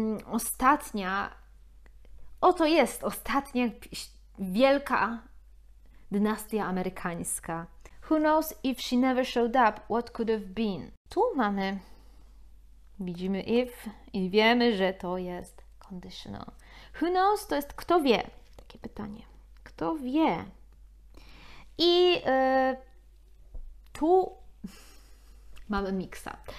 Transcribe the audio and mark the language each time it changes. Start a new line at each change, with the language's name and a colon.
Polish: Ostatnia, oto jest ostatnia wielka dynastia amerykańska.
English: Who knows if she never showed up, what could have been?
Polish: Tu mamy, widzimy if i wiemy, że to jest conditional.
English: Who knows
Polish: to jest kto wie? Takie pytanie. Kto wie? I tu mamy miksa.